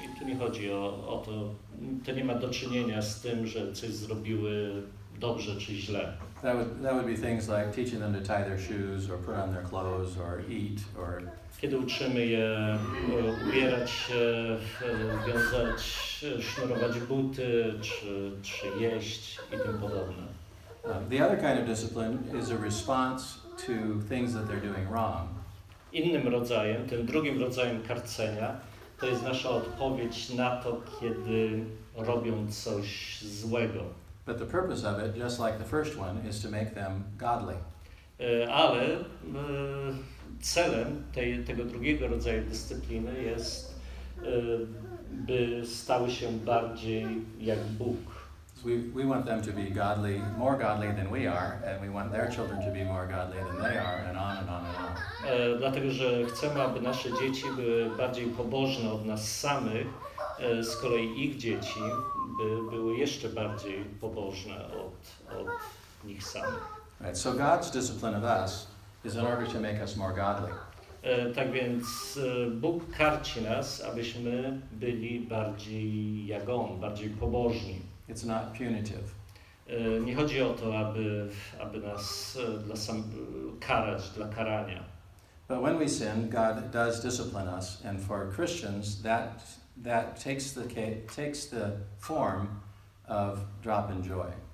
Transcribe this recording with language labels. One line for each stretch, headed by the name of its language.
Polish: I tu nie chodzi o to, to nie ma do czynienia z tym, że coś zrobiły dobrze czy źle.
English: That would be things like teaching them to tie their shoes or put on their clothes or eat or...
Polish: Kiedy uczymy je ubierać się, wiązać, sznurować buty czy jeść i tym podobne.
English: The other kind of discipline is a response to things that they're doing wrong.
Polish: Innym rodzajem, tym drugim rodzajem karcenia, to jest nasza odpowiedź na to, kiedy robią coś złego.
English: But the purpose of it, just like the first one, is to make them godly.
Polish: Ale celem tego drugiego rodzaju dyscypliny jest, by stały się bardziej jak Bóg.
English: We want them to be godly, more godly than we are, and we want their children to be more godly than they are, and on and on and on.
Polish: Dlatego, że chcemy, aby nasze dzieci były bardziej pobożne od nas samych, z kolei ich dzieci by były jeszcze bardziej pobożne od nich samych.
English: Right, so God's discipline of us is in order to make us more godly.
Polish: Tak więc Bóg karci nas, abyśmy byli bardziej jak On, bardziej pobożni.
English: It's not punitive.
Polish: Nie chodzi o to, aby nas karać dla karania.
English: But when we sin, God does discipline us, and for Christians, that takes the form of drop in joy.